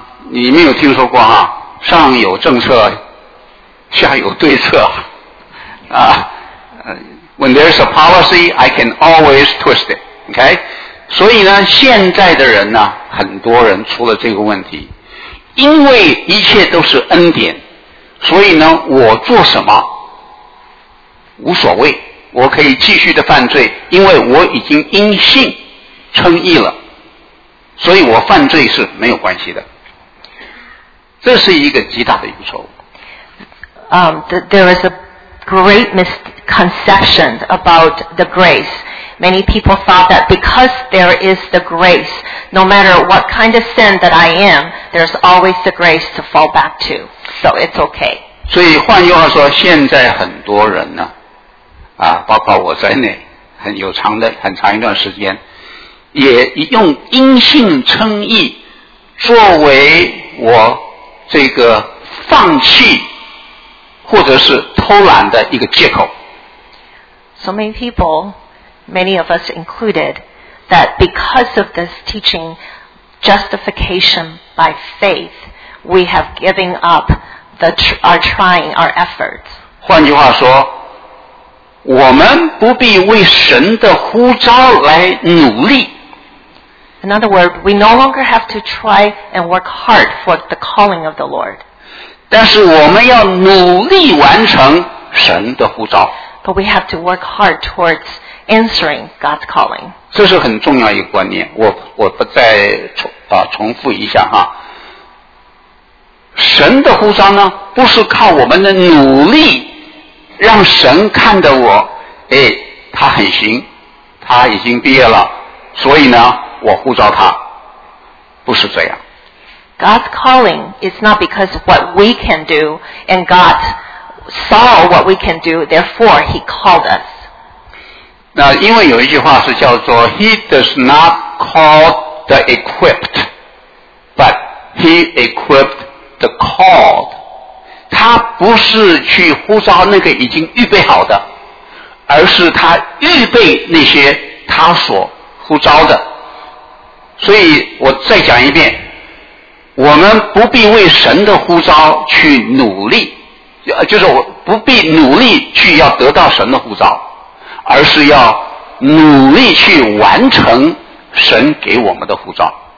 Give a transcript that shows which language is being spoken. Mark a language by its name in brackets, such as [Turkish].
[Chinese] 你没有听说过哈，上有政策，下有对策啊。 [English] When there's a policy, I can always twist it. Okay? [Chinese] 所以呢，现在的人呢，很多人出了这个问题，因为一切都是恩典，所以呢，我做什么无所谓，我可以继续的犯罪，因为我已经因信称义了，所以我犯罪是没有关系的。这是一个极大的一个错误。 [English] There is a great misconception about the grace. Many people thought that because there is the grace, no matter what kind of sin that I am, there's always the grace to fall back to. So it's okay. [Chinese] 所以换句话说，现在很多人呢，包括我在内，很长一段时间，也用因信称义作为我这个放弃或者是偷懒的一个借口。 [English] So many people, many of us included, that because of this teaching, justification by faith, we have given up our trying, our efforts. [Chinese] 换句话说，我们不必为神的呼召来努力。 [English] In other words, we no longer have to try and work hard for the calling of the Lord. [Chinese] 但是我们要努力完成神的呼召。 [English] But we have to work hard towards answering God's calling. [Chinese] 这是很重要一个观念，我不再重复一下哈。神的呼召呢，不是靠我们的努力让神看得我，他很行，他已经毕业了，所以呢，我呼召他，不是这样。 [English] God's calling is not because what we can do, and God saw what we can do, therefore He called us. [Chinese] 那因为有一句话是叫做 [English] He does not call the equipped, but He equipped the called. [Chinese] 他不是去呼召那个已经预备好的，而是他预备那些他所呼召的。所以我再讲一遍，我们不必为神的呼召去努力，就是我不必努力去要得到神的呼召，而是要努力去完成神给我们的呼召。